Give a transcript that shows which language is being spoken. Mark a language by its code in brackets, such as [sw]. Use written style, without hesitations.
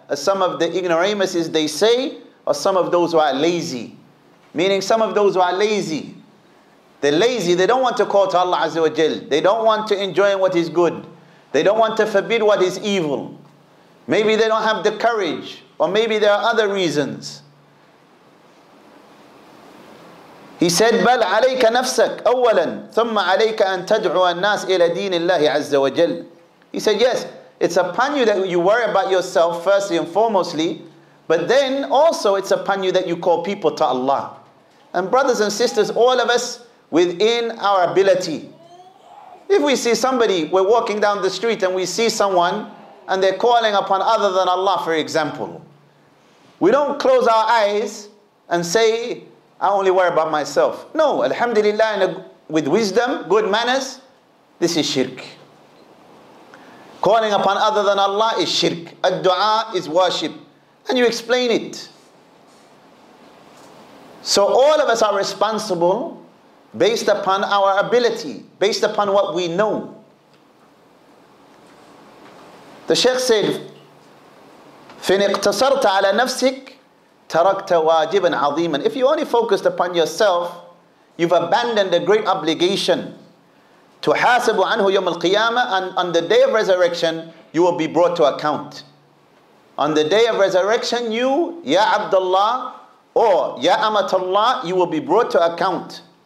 [en] As some of the ignoramuses they say, or some of those who are lazy. Meaning some of those who are lazy. They're lazy, they don't want to call to Allah Azza wa Jal. They don't want to enjoy what is good. They don't want to forbid what is evil. Maybe they don't have the courage, or maybe there are other reasons. He said, [ar] بَلْ عَلَيْكَ نَفْسَكَ أَوَّلًا ثُمَّ عَلَيْكَ أَن تَدْعُوَ النَّاسِ إِلَى دِينِ اللَّهِ عَزَّ وَجَلْ. [en] He said, yes, it's upon you that you worry about yourself firstly and foremostly, but then also it's upon you that you call people to Allah. And brothers and sisters, all of us within our ability. If we see somebody, we're walking down the street and we see someone and they're calling upon other than Allah, for example. We don't close our eyes and say, I only worry about myself. No, alhamdulillah, with wisdom, good manners, this is shirk. Calling upon other than Allah is shirk. Ad-du'a is worship. And you explain it. So all of us are responsible based upon our ability, based upon what we know. The Shaykh said, [ar] فَإِنْ اِقْتَصَرْتَ عَلَى نَفْسِكَ تَرَكْتَ وَاجِبًا عَظِيمًا. [en] If you only focused upon yourself, you've abandoned a great obligation. [ar] تُحَاسَبُ عَنْهُ يَوْمَ الْقِيَامَةِ. [en] And on the day of resurrection, you will be brought to account. On the day of resurrection, you, Ya Abdullah, or Ya Amatullah, you will be brought to account.